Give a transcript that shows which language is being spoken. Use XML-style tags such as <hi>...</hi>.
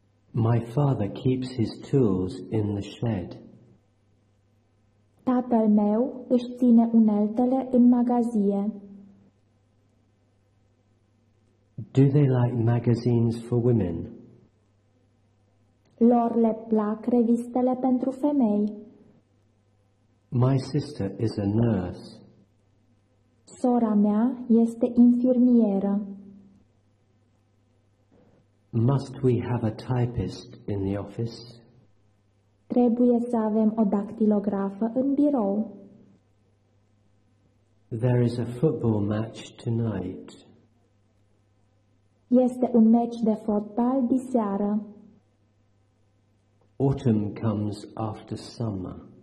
<en>My father keeps his tools in the shed.</en> <ro>Tatăl meu își ține uneltele în magazie.</ro> <en>Do they like magazines for women?</en> <ro>Lor le plac revistele pentru femei.</ro> <en>My sister is a nurse.</en> <ro>Sora mea este infirmieră.</ro> <en>Must we have a typist in the office?</en> <ro>Trebuie să avem o dactilografă în birou.</ro> <en>There is a football match tonight.</en> <ro>Este un meci de fotbal diseară.</ro> <en>Autumn comes after summer.</en>